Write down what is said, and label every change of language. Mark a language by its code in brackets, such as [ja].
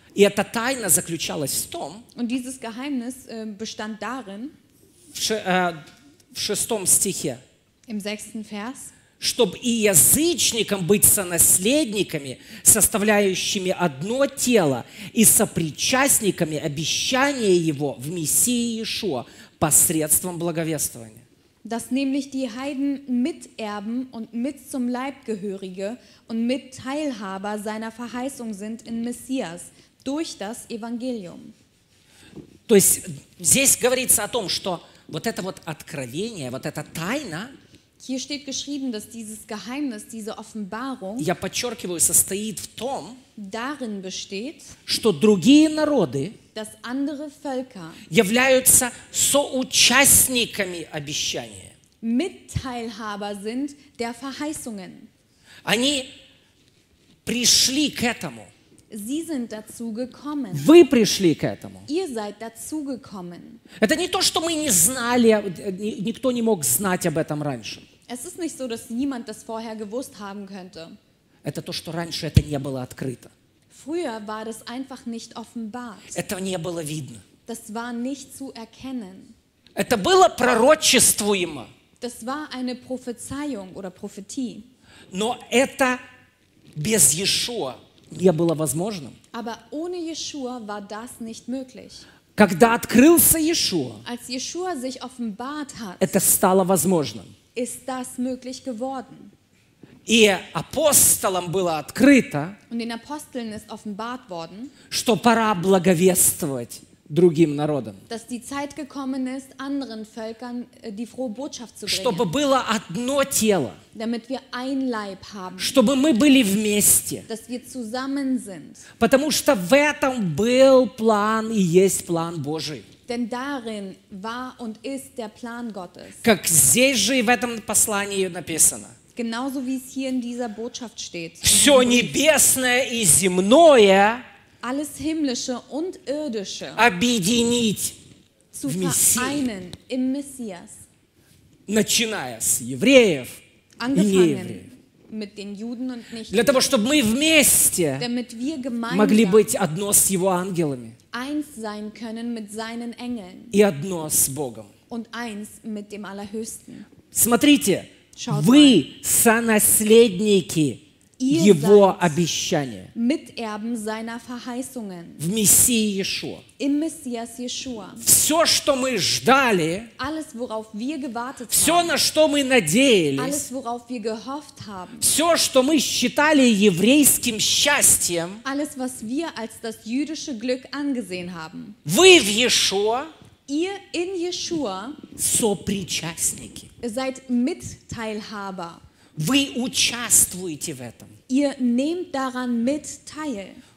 [ru] И эта тайна заключалась в том, [de] und dieses Geheimnis bestand darin, [ru] в шестом стихе, [de] im sechsten Vers, [ru] чтобы и язычникам быть сонаследниками, составляющими одно тело, и сопричастниками обещания его в Мессии Иешуа посредством благовествования. [de] Dass nämlich die Heiden Miterben und mit zum Leib gehörige und mit Teilhaber seiner Verheißung sind in Messias durch das Evangelium. [ru] То есть здесь говорится о том, что вот это вот откровение, вот эта тайна. [de] Hier steht geschrieben, dass dieses Geheimnis, diese Offenbarung, [ru] я подчеркиваю, состоит в том, [de] darin besteht, [ru] что другие народы, [de] dass andere Völker, [ru] являются соучастниками обещания, [de] Mitteilhaber sind der Verheißungen. [ru] Они пришли к этому. [de] Sie sind dazu gekommen. [ru] Вы пришли к этому. [de] Ihr seid dazu gekommen. [ru] Это не то, что мы не знали, никто не мог знать об этом раньше. [de] Es ist nicht so, dass niemand das vorher gewusst haben könnte. [ru] Это то, что раньше это не было открыто. [de] Früher war das einfach nicht offenbart. [ru] Это не было видно. [de] Das war nicht zu erkennen. [ru] Это было пророчествуемо. [de] Das war eine Prophezeiung oder Prophetie. [ru] Но это без Иешуа не было возможным. [de] Aber ohne Иешуа war das nicht möglich. [ru] Когда открылся Иешуа, [de] als Иешуа sich offenbart hat, [ru] это стало возможным. [de] Ist das möglich geworden? [ru] И апостолам было открыто, [de] und den Aposteln ist offenbart worden, [ru] что пора благовествовать другим народам, [de] dass die Zeit gekommen ist, anderen Völkern die frohe Botschaft zu bringen, [ru] чтобы было одно тело, [de] damit wir ein Leib haben, [ru] чтобы мы были вместе, [de] dass wir zusammen sind, [ru] потому что в этом был план и есть план Божий. [de] Denn darin war und ist der Plan Gottes. [ru] Как здесь же и в этом послании написано. [de] Genauso wie es hier in dieser Botschaft steht. [ru] Все небесное и земное, [de] alles himmlische und irdische, [ru] объединить [de] zu vereinen im Messias. [ru] Начиная с евреев и неевреев. [de] mit den Juden und nicht [ru] для того, чтобы мы вместе могли быть одно с его ангелами [de] eins sein können mit seinen Engeln [ru] и одно с Богом. [de] Und eins mit dem Allerhöchsten. [ru] Смотрите, [de] Schaut [ru] вы [de] mal. [ru] Сонаследники [de] Ihr [ru] его обещания [de] Miterben seiner Verheißungen [ru] в Мессии Иешуа. [de] Im Messias Yeshua. [ru] Все, что мы ждали, [de] alles, worauf wir gewartet haben, [ru] все, на что мы надеялись, [de] alles, worauf wir gehofft haben, [ru] все, что мы считали еврейским счастьем, [de] alles, was wir als das jüdische Glück angesehen haben, [ru] вы в Иешуа, [de] ihr in Yeshua, [ru] сопричастники, [de] seid Mitteilhaber, [ru] вы участвуете в этом, [de] ihr nehmt daran mit teil,